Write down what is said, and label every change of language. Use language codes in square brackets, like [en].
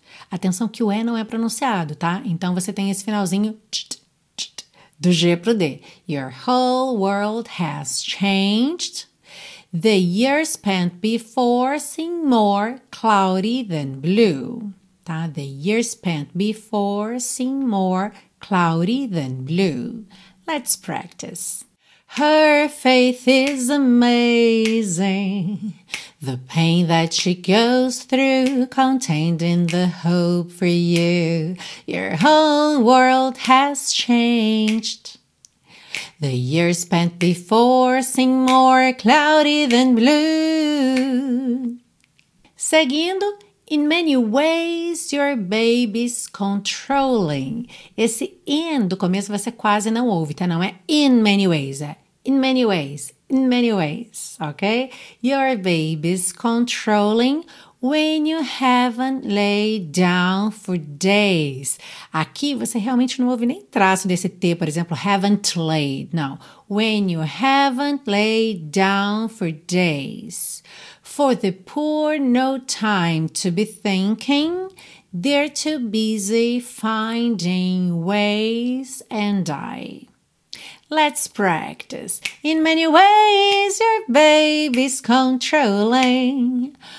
[pt] Atenção que o E não é pronunciado, tá? Então, você tem esse finalzinho, do G pro D. [en] Your whole world has changed. The year spent before seemed more cloudy than blue. Tá? The year spent before seemed more cloudy than blue. Let's practice. Her faith is amazing. The pain that she goes through contained in the hope for you. Your whole world has changed. The years spent before seem more cloudy than blue. [pt] Seguindo, [en] in many ways your baby's controlling. [pt] Esse in do começo você quase não ouve, tá? Não é [en] in many ways, [pt] é in many ways. [en] In many ways, okay? Your baby's controlling when you haven't laid down for days. [pt] Aqui você realmente não ouve nem traço desse T, por exemplo, [en] haven't laid. [pt] Não. [en] When you haven't laid down for days. For the poor no time to be thinking, they're too busy finding ways and I. Let's practice. In many ways, your baby's controlling.